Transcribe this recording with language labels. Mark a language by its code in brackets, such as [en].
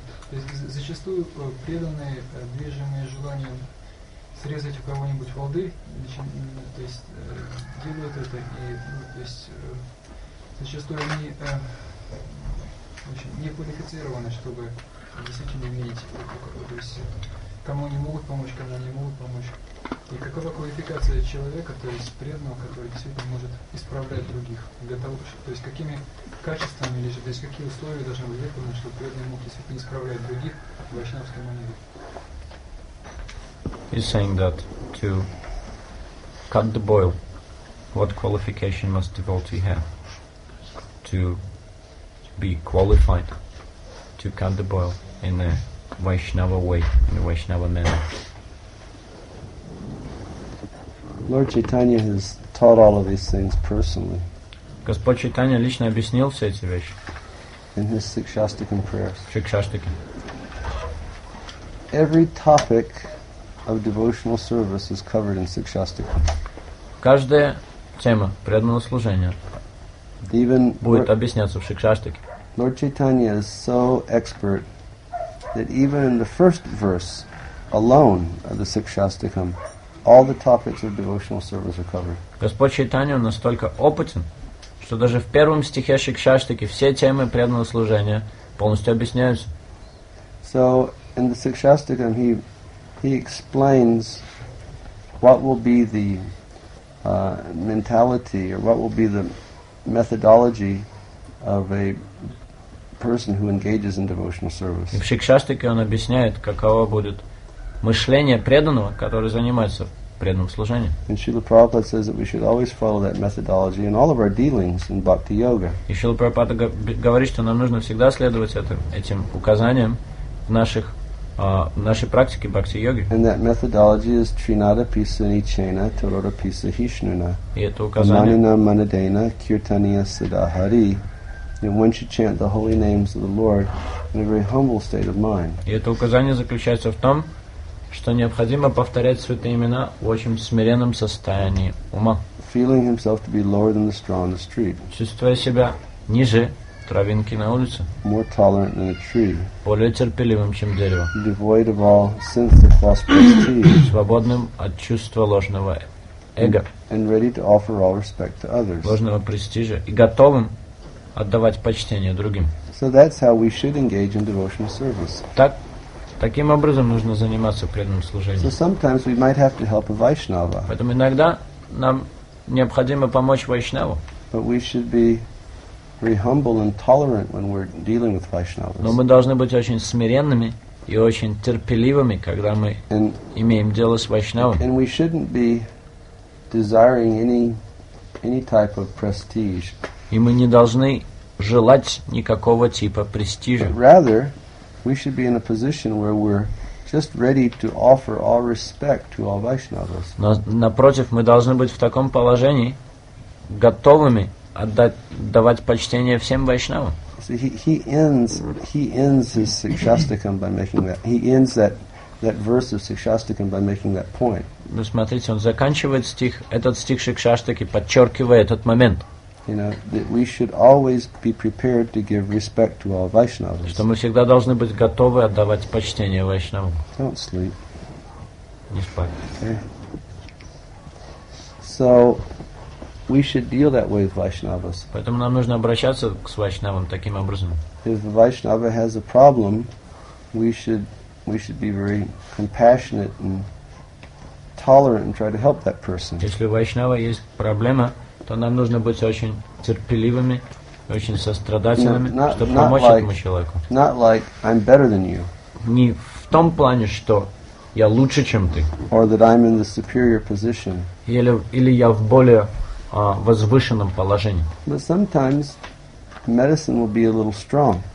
[ru] То есть зачастую преданные, движимые желанием срезать у кого-нибудь волды, то есть делают это, и, ну, то есть зачастую они не квалифицированы, чтобы действительно иметь, то есть кому они могут помочь, кому они могут помочь. И какова квалификация человека, то есть преданного, который действительно может исправлять других? Для того, чтобы, то есть какими качествами, или же, то есть какие условия должны быть выполнены, чтобы преданный мог действительно исправлять других в вайшнавской манере? [en] He's saying that to cut the boil, what qualification must devotee have to be qualified to cut the boil in a Vaishnava way, in a Vaishnava manner? Lord Chaitanya has taught all of these things personally. [ru] Господь Чайтанья лично объяснил все эти вещи. [en] In his Sikshastakam prayers. Sikshastakam. Every topic of devotional service is covered in Sikshastakam. [ru] Каждая тема преданного служения [en] even [ru] будет объясняться в Sikshastakam. [en] Lord Chaitanya is so expert that even in the first verse alone of the Sikshastakam, all the topics of devotional service are covered. [ru] Господь Чайтанья настолько опытен, что даже в первом стихе Сикшаштаки все темы преданного служения полностью объясняются. [en] So in the Sikshastakam he explains what will be the mentality or what will be the methodology of a person who engages in devotional service. [ru] В Сикшаштаке он объясняет, каково будет мышление преданного, который занимается преданным служением. [en] And Srila Prabhupada says that we should always follow that methodology in all of our dealings in bhakti yoga. [ru] И Шрила Прабхупада говорит, что нам нужно всегда следовать этим указаниям в нашей практике бхакти йоги. [en] And that methodology is [sa] trinada pisani chena torada pisahishnuna. [ru] И это указание. [sa] Manina manadena kirtaniya sadahari. [en] And once you chant the holy names of the Lord in a very humble state of mind. [ru] И это указание заключается в том, что необходимо повторять святые имена в очень смиренном состоянии ума. [en] feeling himself to be lower than the straw on the street. [ru] Чувствуя себя ниже травинки на улице. [en] More tolerant than a tree. [ru] Более терпеливым, чем дерево. [en] Devoid of all sense of false prestige. [ru] Свободным от чувства ложного эго. [en] And ready to offer all respect to others. [ru] Ложного престижа и готовым отдавать почтение другим. [en] So that's how we should engage in devotional service. [ru] Так, таким образом нужно заниматься преданным служением. [en] So sometimes we might have to help a Vaishnava. [ru] Поэтому иногда нам необходимо помочь Вайшнаву. [en] But we should be very humble and tolerant when we're dealing with Vaishnavas. [ru] Но мы должны быть очень смиренными и очень терпеливыми, когда мы имеем дело с Вайшнавом. [en] And we shouldn't be desiring any type of prestige. [ru] И мы не должны желать никакого типа престижа. [en] But rather, we should be in a position where we're just ready to offer all respect to all Vaishnavas. [ru] Но напротив, мы должны быть в таком положении, готовыми давать почтение всем Вайшнавам. [en] See, he ends his Сикшастикам by making that. He ends that verse of Сикшастикам by making that point. [ru] Вы смотрите, он заканчивает стих, этот стих Сикшастики, подчеркивая этот момент. [en] You know, that we should always be prepared to give respect to all Vaishnavas. [ru] Что мы всегда должны быть готовы отдавать почтение Вайшнавам. [en] Don't sleep. [ru] Не спать. [en] Okay. So, we should deal that way with Vaishnavas. [ru] Поэтому нам нужно обращаться к Вайшнавам таким образом. [en] If a Vaishnava has a problem, we should be very compassionate and tolerant and try to help that person. [ru] Если у Вайшнава есть проблема, то нам нужно быть очень терпеливыми, очень сострадательными, чтобы помочь этому человеку. [en] Not like I'm better than you. [ru] Не в том плане, что я лучше, чем ты. [en] Or that I'm in the superior position. [ru] Или я в более возвышенном положении. [en] But sometimes medicine will be a little strong.